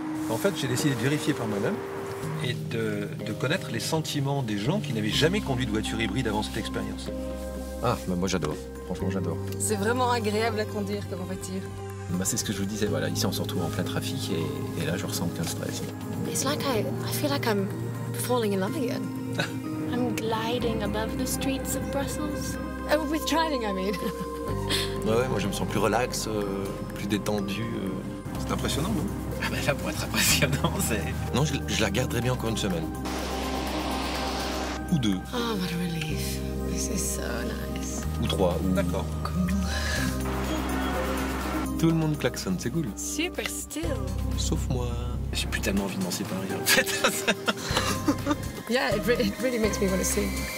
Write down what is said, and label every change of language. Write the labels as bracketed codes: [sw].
[fr] En fait, j'ai décidé de vérifier par moi-même et de connaître les sentiments des gens qui n'avaient jamais conduit de voiture hybride avant cette expérience. Ah, bah moi j'adore. Franchement, j'adore. C'est vraiment agréable à conduire comme voiture. Bah, c'est ce que je vous disais, voilà, ici on se retrouve en plein trafic et là je ressens aucun stress. [en] It's like I feel like I'm falling in love again. I'm gliding above the streets of Brussels. Oh, with driving, I mean. [fr] Ouais, moi je me sens plus relax, plus détendu. C'est impressionnant, non? Ah ben là, pour être impressionnant, c'est... Non, je la garderai bien encore une semaine. Ou deux. [en] Oh, what a relief. This is so nice. [fr] Ou trois. Ou... D'accord. Tout le monde klaxonne, c'est cool. [en] Super still. [fr] Sauf moi. J'ai plus tellement envie de m'en séparer, en fait. [en] Yeah, it really makes me want to sing.